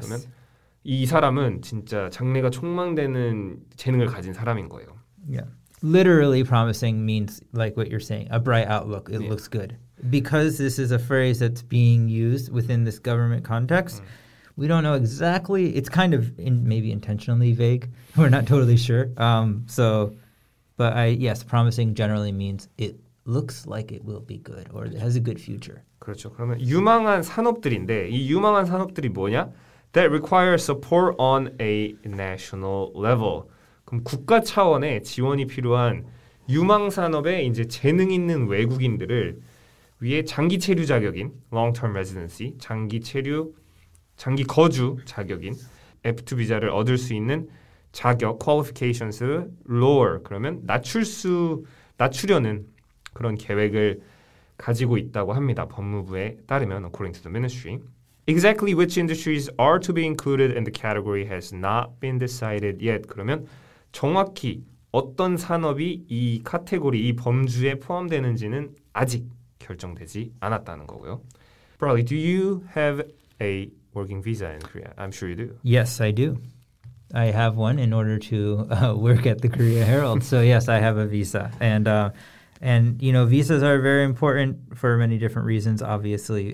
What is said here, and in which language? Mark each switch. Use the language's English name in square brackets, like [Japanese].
[Korean] 그러면 이 사람은 진짜 장래가 촉망되는 재능을 가진 사람인 거예요. [English] Yeah. Literally promising means like what you're saying, a bright outlook. It yeah. looks good. Because this is a phrase that's being used within this government context, we don't know exactly. It's kind of maybe intentionally vague. We're not totally sure. Yes, promising generally means it looks like it will be good or it has a good future. [Korean] 그렇죠. 그러면 유망한 산업들인데 이 유망한 산업들이 뭐냐? [English] that require support on a national level. [Korean] 그럼 국가 차원의 지원이 필요한 유망 산업에 이제 재능 있는 외국인들을 위해 장기 체류 자격인 long-term residency, 장기 체류, 장기 거주 자격인 F2 비자를 얻을 수 있는 자격 [English] qualifications lower [Korean] 그러면 낮추려는 그런 계획을 가지고 있다고 합니다. 법무부에 따르면 [English] according to the ministry. Exactly which industries are to be included in the category has not been decided yet. [Korean] 그러면 정확히 어떤 산업이 이 카테고리, 이 범주에 포함되는지는 아직 결정되지 않았다는 거고요. [English] Broly, do you have a working visa in Korea? I'm sure you do. Yes, I do. I have one in order to work at the Korea Herald. So yes, I have a visa. And you know, visas are very important for many different reasons, obviously.